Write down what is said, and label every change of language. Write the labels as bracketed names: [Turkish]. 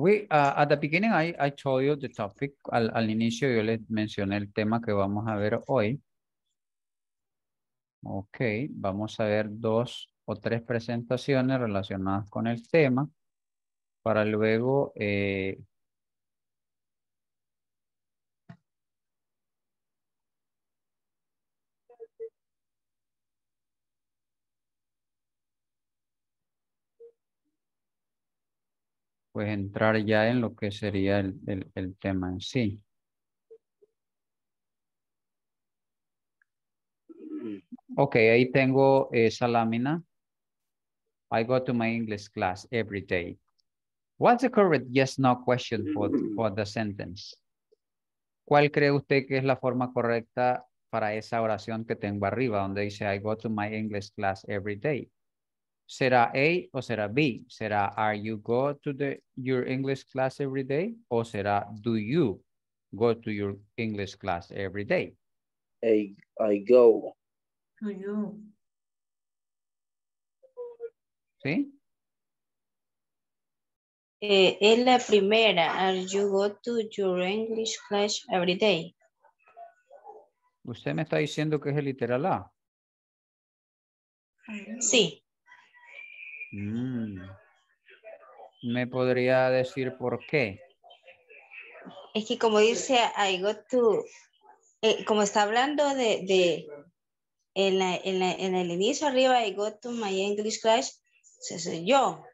[English] At the beginning, I told you the topic. [Spanish] Al inicio, yo les mencioné el tema que vamos a ver hoy. Ok, vamos a ver dos o tres presentaciones relacionadas con el tema para luego pues entrar ya en lo que sería el tema en sí. [English] Okay, [Spanish] ahí tengo esa lámina. [English] I go to my English class every day. What's the correct yes-no question for the sentence? [Spanish] ¿Cuál cree usted que es la forma correcta para esa oración que tengo arriba, donde dice [English] I go to my English class every day? [Spanish] ¿Será A o será B? ¿Será [English] are you go to your English class every day? [Spanish] ¿O será [English] do you go to your English class every day? I go. To [Spanish] you. ¿Sí? Es la primera. [English] Are you go to your English class every day? [Spanish] ¿Usted me está diciendo que es el literal A? Sí. ¿Me podría decir por qué? Es que como dice, [English] I go to... [Spanish] como está hablando de En el inicio arriba, [English] I go to my English class, [Spanish] soy yo.